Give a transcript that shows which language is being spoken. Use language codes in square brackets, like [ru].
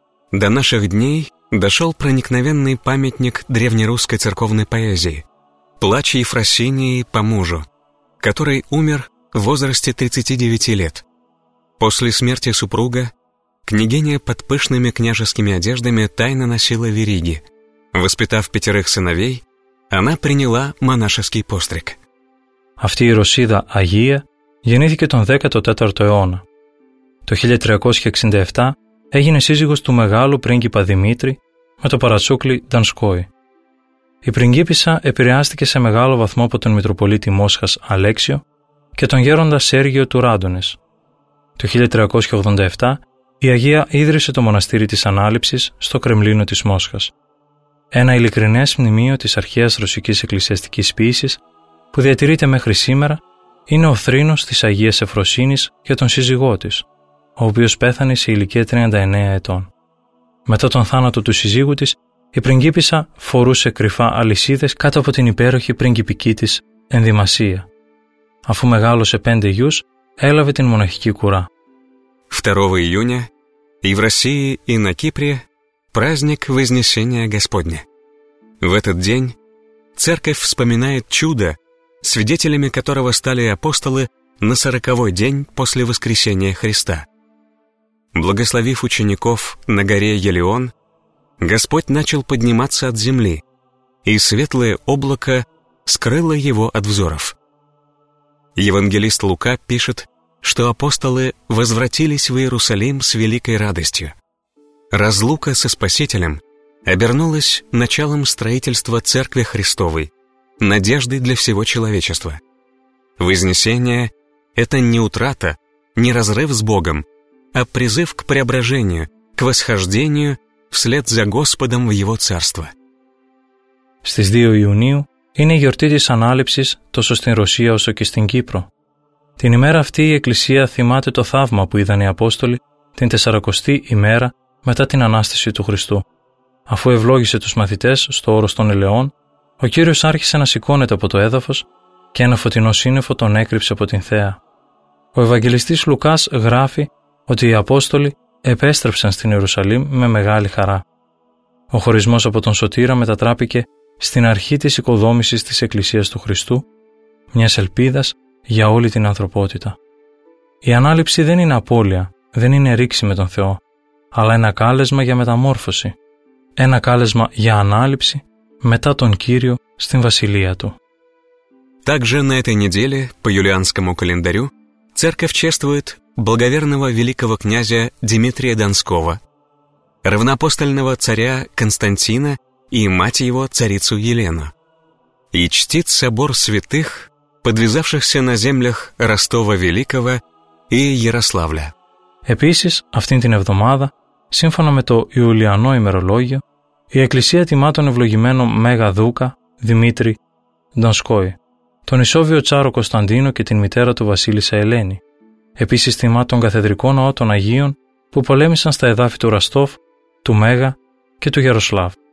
[ru] До наших дней дошел проникновенный памятник древнерусской церковной поэзии «Плач Ефросинии по мужу», который умер в возрасте 39 лет. После смерти супруга княгиня под пышными княжескими одеждами тайно носила вериги. Воспитав пятерых сыновей, она приняла монашеский постриг. [el] Αυτή η Ρωσίδα Αγία γεννήθηκε τον 14ο αιώνα. Το 1367 έγινε σύζυγος του μεγάλου πρίγκιπα Δημήτρη με το παρατσούκλι Ντανσκόι. Η πριγκίπισσα επηρεάστηκε σε μεγάλο βαθμό από τον Μητροπολίτη Μόσχας Αλέξιο και τον γέροντα Σέργιο του Ράντονες. Το 1387 η Αγία ίδρυσε το μοναστήρι της Ανάληψης στο Κρεμλίνο της Μόσχας. Ένα ειλικρινές μνημείο της αρχαίας ρωσικής εκκλησιαστικής ποίησης που διατηρείται μέχρι σήμερα είναι ο θρήνος της Αγίας Εφροσύνης για τον σύζυγό της, ο οποίος πέθανε σε ηλικία 39 ετών. Μετά τον θάνατο του σύζυγου της, η πριγκίπισσα φορούσε κρυφά αλυσίδες κάτω από την υπέροχη πριγκιπική της ενδυμασία. Αφού μεγάλωσε 5 γιους, έλαβε την μοναχική κουρά. [ru] 2 июня и в России, и на Кипре праздник Вознесения Господня. В этот день церковь вспоминает чудо, свидетелями которого стали апостолы на 40-й день после воскресения Христа. Благословив учеников на горе Елеон, Господь начал подниматься от земли, и светлое облако скрыло его от взоров. Евангелист Лука пишет, что апостолы возвратились в Иерусалим с великой радостью. Разлука со Спасителем обернулась началом строительства Церкви Христовой, надежды для всего человечества. Вознесение — это не утрата, не разрыв с Богом, а призыв к преображению, к восхождению вслед за Господом в Его Царство. [el] Στις 2 Ιουνίου είναι η γιορτή της Ανάληψης τόσο στην Ρωσία όσο και στην Κύπρο. Την ημέρα αυτή η Εκκλησία θυμάται το θαύμα που είδαν οι Απόστολοι την 40η ημέρα μετά την Ανάστηση του Χριστού. Αφού ευλόγησε τους μαθητές στο όρος των Ελαιών, ο Κύριος άρχισε να σηκώνεται από το έδαφος και ένα φωτεινό σύννεφο τον έκρυψε από την θέα. Ο Ευαγγελιστής Λουκάς γράφει ότι οι Απόστολοι επέστρεψαν στην Ιερουσαλήμ με μεγάλη χαρά. Ο χωρισμός από τον Σωτήρα μετατράπηκε στην αρχή της οικοδόμησης της Εκκλησίας του Χριστού, μιας ελπίδας για όλη την ανθρωπότητα. Η Ανάληψη δεν είναι απώλεια, δεν είναι ρήξη με τον Θεό, αλλά ένα κάλεσμα για μεταμόρφωση, ένα κάλεσμα για Ανάληψη μετά τον Κύριο στην Βασιλεία Του. [ru] Также на этой неделе, по юлианскому календарю, церковь чествует благоверного великого князя Дмитрия Донского, равноапостольного царя Константина и мать его, царицу Елену. И чтит собор святых, подвязавшихся на землях Ростова Великого и Ярославля. [el] Επίσης, αυτήν την εβδομάδα, σύμφωνα με το Ιουλιανό ημερολόγιο, η Εκκλησία τιμά τον ευλογημένο Μέγα Δούκα, Δημήτρη Ντονσκόη, τον ισόβιο Τσάρο Κωνσταντίνο και την μητέρα του Βασίλισσα Ελένη. Επίσης τιμά τον καθεδρικό ναό των Αγίων που πολέμησαν στα εδάφη του Ραστόφ, του Μέγα και του Γεροσλάβ.